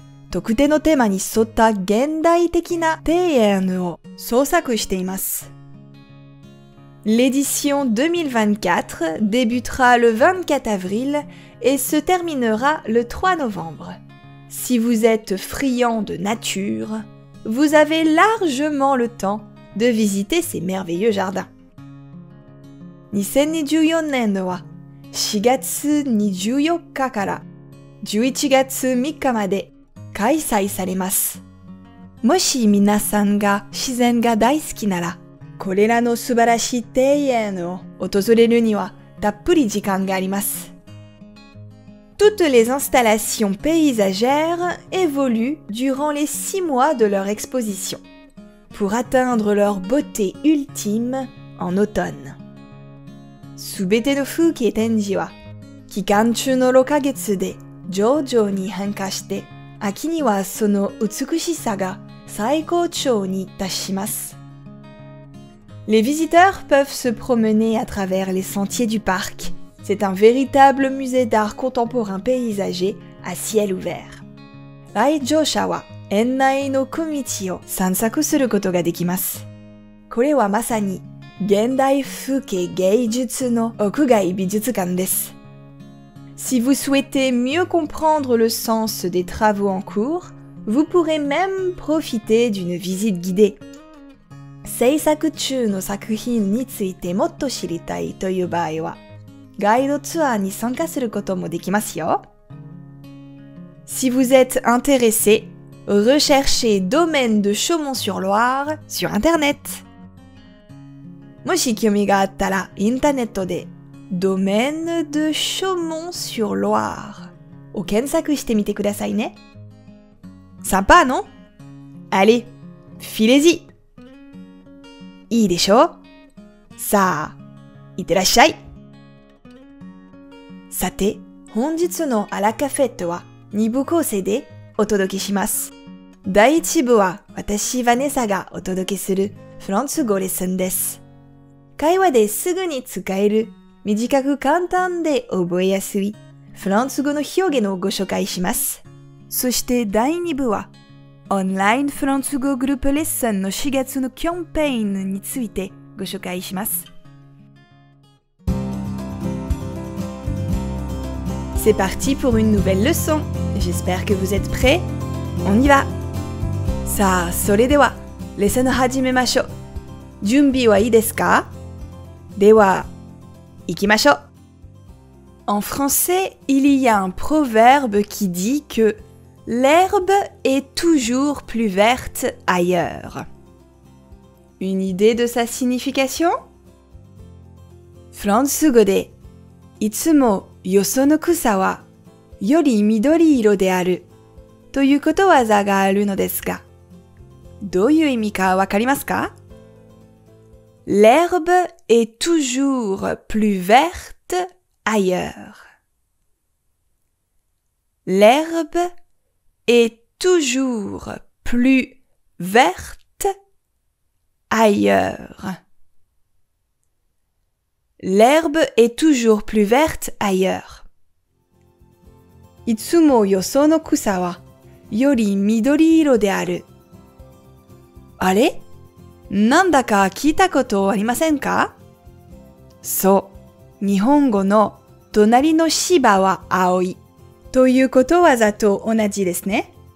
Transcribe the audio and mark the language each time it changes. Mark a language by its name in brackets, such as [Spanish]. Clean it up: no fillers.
[Japanese] 特定のテーマに沿った現代的な庭園を創作しています。 [French] L'édition 2024 débutera le 24 avril et se terminera le 3 novembre. Si vous êtes friand de nature, vous avez largement le temps de visiter ces merveilleux jardins. [Japanese] 2024年は4月24日から11月3日まで開催されます。もし皆さんが自然が大好きなら、これらの素晴らしい庭園を訪れるにはたっぷり時間があります。 [French] Toutes les installations paysagères évoluent durant les 6 mois de leur exposition, pour atteindre leur beauté ultime en automne. [Japanese] すべての風景展示は、期間中の6ヶ月で徐々に変化して、秋にはその美しさが最高潮に達します。 [French] Les visiteurs peuvent se promener à travers les sentiers du parc. C'est un véritable musée d'art contemporain paysager à ciel ouvert. [Japanese] 来場者は園内の小道を散策することができます。これはまさに現代風景芸術の屋外美術館です。 [French] Si vous souhaitez mieux comprendre le sens des travaux en cours, vous pourrez même profiter d'une visite guidée. [Japanese] 制作中の作品についてもっと知りたいという場合は、ガイドツアーに参加することもできますよ。 [French] Si vous êtes intéressé, recherchez Domaine de Chaumont-sur-Loire sur Internet. [Japanese] もし興味があったら、インターネットでDomaine de Chaumont-sur-Loire. を検索してみてくださいね。 [French] Sympa, non? Allez, filez-y! [Japanese] いいでしょ? さあ、いってらっしゃい! さて、本日のアラカフェットは2部構成でお届けします。第1部は私、ヴァネッサがお届けするフランス語レッスンです。会話ですぐに使える短く簡単で覚えやすいフランス語の表現をご紹介します。そして第2部は、オンラインフランス語グループレッスンの4月のキャンペーンについてご紹介します。 [French] C'est parti pour une nouvelle leçon! J'espère que vous êtes prêts! On y va! [Japanese] さあ、それでは、レッスン始めましょう。準備はいいですか?では、 [French] En français, il y a un proverbe qui dit que l'herbe est toujours plus verte ailleurs. Une idée de sa signification? [Japanese] Français語で、いつもよその草はより緑色であるということわざがあるのですが、どういう意味かわかりますか？ [French] L'herbe est toujours plus verte ailleurs. L'herbe est toujours plus verte ailleurs. L'herbe est toujours plus verte ailleurs. [Japanese] いつもよその草はより緑色である。あれ？なんだか聞いたことありませんか？そう。日本語の隣の芝は青いということわざと同じですね。